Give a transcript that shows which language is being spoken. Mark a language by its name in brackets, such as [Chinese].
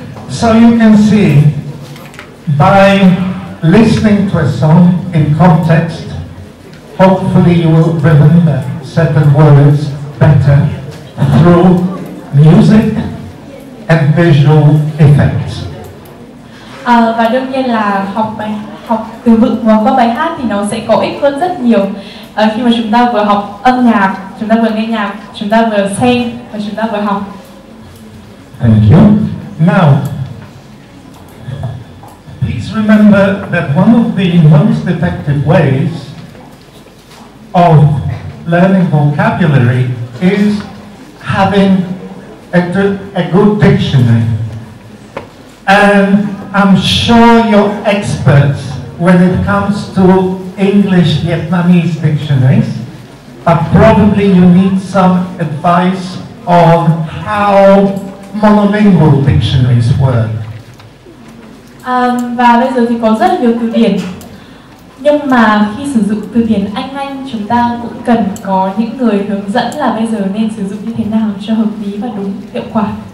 [English] So you can see, by listening to a song in context, hopefully you will remember certain words better through music and visual effects. [Vietnamese] Và đương nhiên là học từ vựng và qua bài hát thì nó sẽ có ích hơn rất nhiều. Khi mà chúng ta vừa học âm nhạc, chúng ta vừa nghe nhạc, chúng ta vừa xem và chúng ta vừa học. [English] Thank you. Now, please remember that one of the most effective ways of learning vocabulary is having a good dictionary. And I'm sure you're experts when it comes to English Vietnamese dictionaries, but probably you need some advice on how monolingual dictionaries work. [Vietnamese] Và bây giờ thì có rất nhiều từ điển. Nhưng mà khi sử dụng từ điển Anh, chúng ta cũng cần có những người hướng dẫn là bây giờ nên sử dụng như thế nào cho hợp lý và đúng hiệu quả.